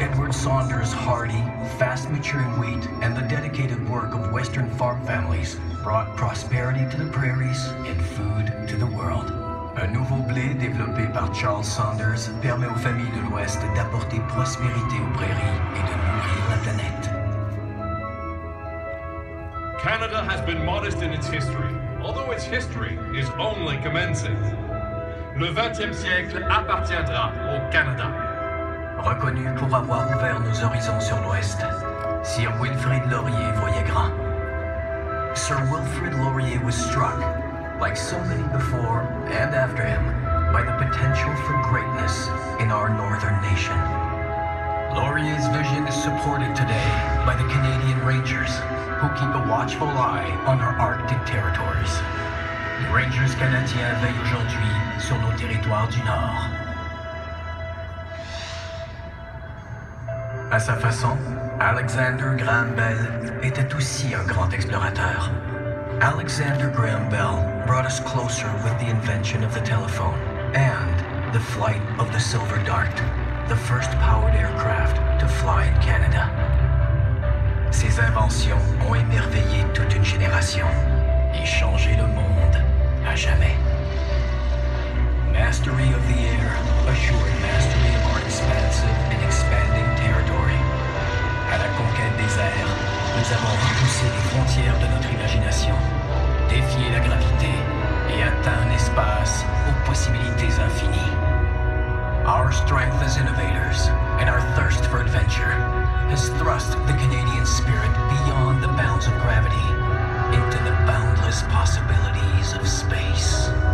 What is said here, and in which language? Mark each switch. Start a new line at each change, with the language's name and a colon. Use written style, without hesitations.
English: Saunders' hardy, fast-maturing wheat and the dedicated work of Western farm families brought prosperity to the prairies and food to the world.
French: Un nouveau blé développé par Charles Saunders permet aux familles de l'Ouest d'apporter prospérité aux prairies et de nourrir la planète.
English: Canada has been modest in its history, although its history is only commencing.
French: Le 20e siècle appartiendra au Canada. Reconnu pour avoir ouvert nos horizons sur l'Ouest, Sir Wilfrid Laurier voyait grand.
English: Sir Wilfrid Laurier was struck, like so many before and after him, by the potential for greatness in our northern nation. Laurier's vision is supported today by the Canadian Rangers, who keep a watchful eye on our Arctic territories.
French: Les Rangers canadiens veillent aujourd'hui sur nos territoires du Nord. À sa façon, Alexander Graham Bell était aussi un grand explorateur.
English: Alexander Graham Bell brought us closer with the invention of the telephone and the flight of the Silver Dart, the first powered aircraft to fly in Canada.
French: Ses inventions ont émerveillé toute une génération et changé le monde à jamais.
English: Mastery of the air assured mastery of our expansive and expanding territory.
French: À la conquête des airs, nous avons repoussé les frontières de notre imagination, défié la gravité et atteint un espace aux possibilités infinies.
English: Our strength as innovators and our thirst for adventure has thrust the Canadian spirit beyond the bounds of gravity into the boundless possibilities of space.